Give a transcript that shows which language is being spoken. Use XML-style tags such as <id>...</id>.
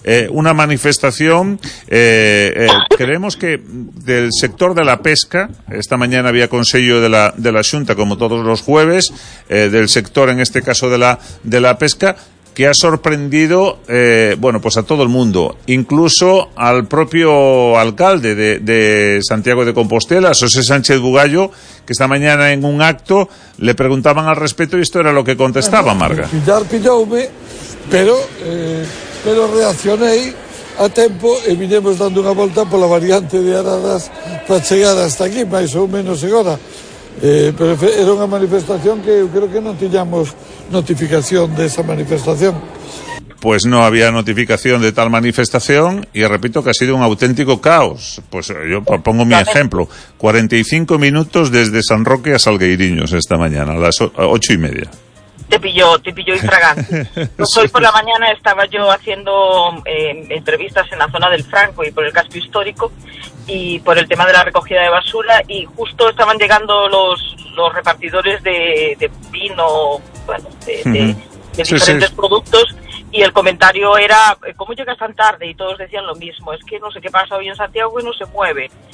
<es>Una manifestación, creemos que del sector de la pesca, esta mañana había consejo de la Xunta, como todos los jueves, del sector, en este caso, de la pesca, que ha sorprendido, bueno, pues a todo el mundo, incluso al propio alcalde de Santiago de Compostela, José Sánchez Bugallo, que esta mañana en un acto le preguntaban al respecto y esto era lo que contestaba Marga.</es> <gl>Pillarme, pero reaccioné a tempo e vinemos dando unha volta pola variante de Aradas para chegar hasta aquí, máis ou menos agora. Pero era unha manifestación que eu creo que non tiñamos notificación de esa manifestación.</gl> <es>Pues no había notificación de tal manifestación y repito que ha sido un auténtico caos. Pues yo pongo mi ejemplo, 45 minutos desde San Roque a Salgueiriños esta mañana, a las 8:30. Te pilló infragante. Pues hoy por la mañana estaba yo haciendo entrevistas en la zona del Franco y por el casco histórico y por el tema de la recogida de basura, y justo estaban llegando los repartidores de vino, bueno, de diferentes productos, y el comentario era, ¿cómo llegas tan tarde? Y todos decían lo mismo, es que no sé qué pasa hoy en Santiago y no se mueve.</es>